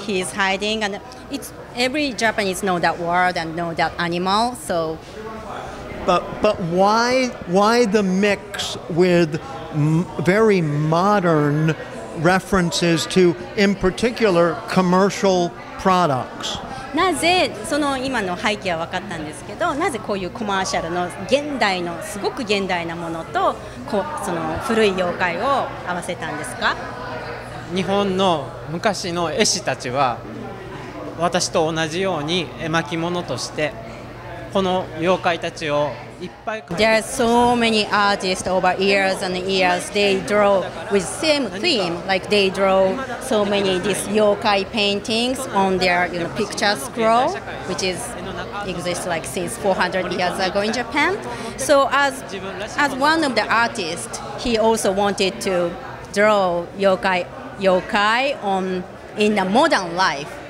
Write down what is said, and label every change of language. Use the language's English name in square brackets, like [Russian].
[English] He's hiding, and it's every Japanese know that word and know that animal. So, but why the mix with very modern references to, in particular, commercial products? [Japanese] なぜその今の背景は分かったんですけど、なぜこういうコマーシャルの現代のすごく現代なものとこその古い妖怪を合わせたんですか？日本の昔の絵師たちは私と同じように絵巻物としてこの妖怪たちをいっぱい描いて。 [English] There are so many artists over years and years. They draw with same theme. Like they draw so many these yokai paintings on their, you know, picture scroll, which is exists like since 400 years ago in Japan. So as one of the artists, he also wanted to draw yokai on in the modern life.